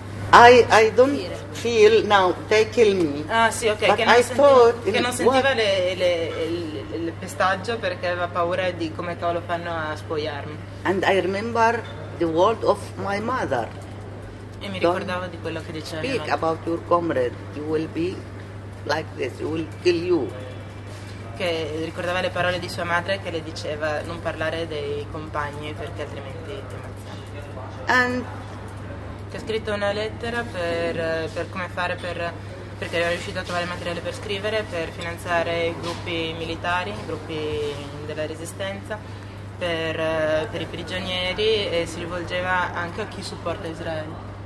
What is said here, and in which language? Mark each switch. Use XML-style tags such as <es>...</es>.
<en>I don't feel now they kill me.</en> <it>Ah sì, ok.</it> <en>But</en> <it>che non,</it> <en>I</en> <it>senti,</it> <en>thought</en> <it>che non sentiva il pestaggio perché aveva paura di come cavolo fanno a spogliarmi.</it> <en>And I remember the word of my mother.</en> <it>E mi ricordavo di quello che diceva.</it> <en>Speak about your comrade, you will be like this, it will kill you.</en> <it>Che ricordava le parole di sua madre che le diceva non parlare dei compagni perché altrimenti ti ammazzano. Che ha scritto una lettera per come fare perché aveva riuscito a trovare materiale per scrivere, per finanziare i gruppi militari, i gruppi della resistenza, per i prigionieri e si rivolgeva anche a chi supporta Israele.</it>